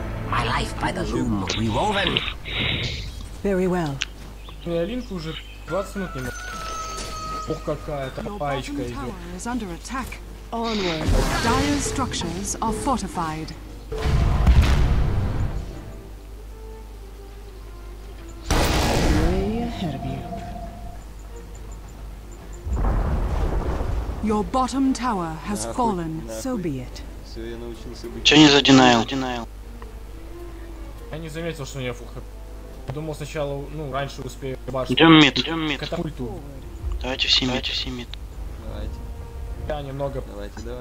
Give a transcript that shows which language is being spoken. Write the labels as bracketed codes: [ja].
[en] My life by the loom revolving. Very well. [ru] Ну я линку уже 20 минут не могу. Ох, какая-то паечка идет. [en] Dire structures are fortified. Your bottom tower has fallen, so be it. [ru] Че не за динайл? Я не заметил, что у меня фух. Думал сначала, ну, раньше успею башню. Идем мид, идем мид. Катапульту. Давайте все мид, все мид. Давайте. Я немного. Давайте.